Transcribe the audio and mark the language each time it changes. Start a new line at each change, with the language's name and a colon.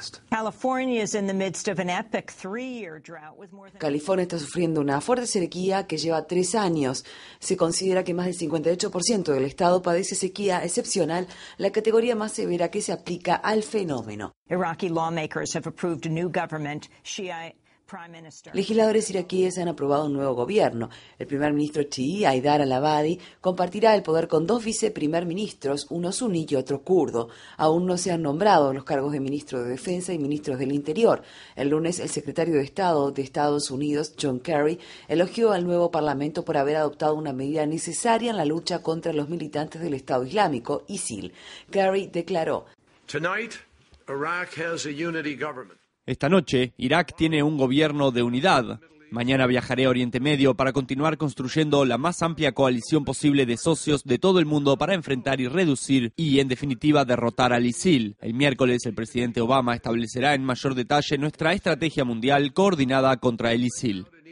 English: California is in the midst of an epic 3-year drought with more than.
Spanish: California está sufriendo una fuerte sequía que lleva 3 años. Se considera que más del 58% del estado padece sequía excepcional, la categoría más severa que se aplica al fenómeno.
English: Iraqi lawmakers have approved a new government, Shiite.
Spanish: Legisladores iraquíes han aprobado un nuevo gobierno. El primer ministro chií, Haidar al-Abadi, compartirá el poder con 2 viceprimer ministros, uno suní y otro kurdo. Aún no se han nombrado los cargos de ministro de Defensa y ministros del Interior. El lunes, el secretario de Estado de Estados Unidos, John Kerry, elogió al nuevo parlamento por haber adoptado una medida necesaria en la lucha contra los militantes del Estado Islámico, ISIL. Kerry declaró:
English: tonight, Iraq has a unity government.
Spanish: Esta noche, Irak tiene un gobierno de unidad. Mañana viajaré a Oriente Medio para continuar construyendo la más amplia coalición posible de socios de todo el mundo para enfrentar y reducir y, en definitiva, derrotar al ISIL. El miércoles, el presidente Obama establecerá en mayor detalle nuestra estrategia mundial coordinada contra el ISIL.